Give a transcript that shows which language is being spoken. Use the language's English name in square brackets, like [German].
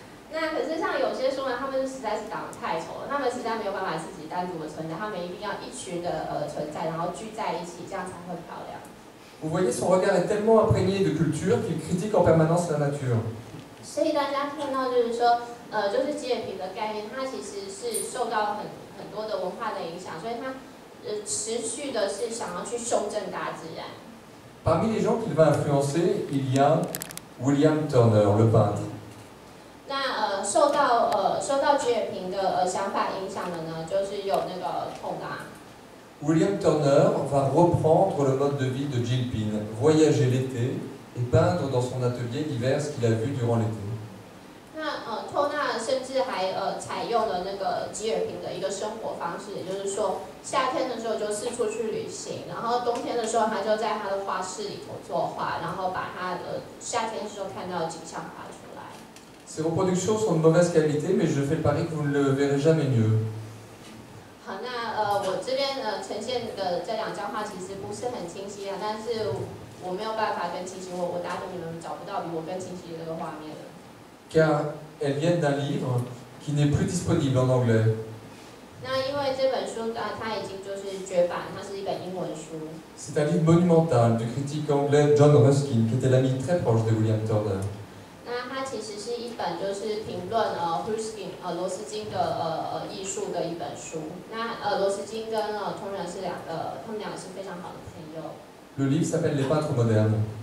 [Chinese] 那可是像有些树呢，他们实在是长得太丑了，他们实在没有办法自己单独的存在，他们一定要一群的存在，然后聚在一起，这样才会漂亮。 [French] Vous voyez, son regard est tellement imprégné de culture qu'il critique en permanence la nature. [Chinese] 所以大家看到就是说，就是吉尔平的概念，他其实是受到很多的文化的影响，所以他。持续的是想要去修正大自然。 [French] Parmi les gens qu'il va influencer, il y a William Turner, le peintre. [Chinese] 那受到吉尔平的想法影响的呢，就是有那个托达。 [French] William Turner va reprendre le mode de vie de Gilpin, voyager l'été et peindre dans son atelier l'hiver ce qu'il a vu durant l'été. [Chinese] 那托纳甚至还采用了那个吉尔平的一个生活方式，也就是说。夏天的时候就四处去旅行，然后冬天的时候他就在他的画室里头作画，然后把他的夏天的时候看到的景象画出来。 [French] Ces reproductions sont de mauvaise qualité, mais je fais le pari que vous ne le verrez jamais mieux. [Chinese] 好，那我这边呈现的这两张画其实不是很清晰啊，但是我没有办法更清晰，我打赌你们找不到比我更清晰的这个画面了。 [French] Car elles viennent d'un livre qui n'est plus disponible en anglais. [Chinese] 那因为这本书它已经就是绝版，它是一本英文书。 [French] C'est un livre monumental du critique anglais John Ruskin, qui était l'ami très proche de William Turner. [Chinese] 那它其实是一本就是评论Ruskin 罗斯金的艺术的一本书。那罗斯金跟Turner是两个，他们两个是非常好的朋友。 [French] Le livre s'appelle Les peintres modernes.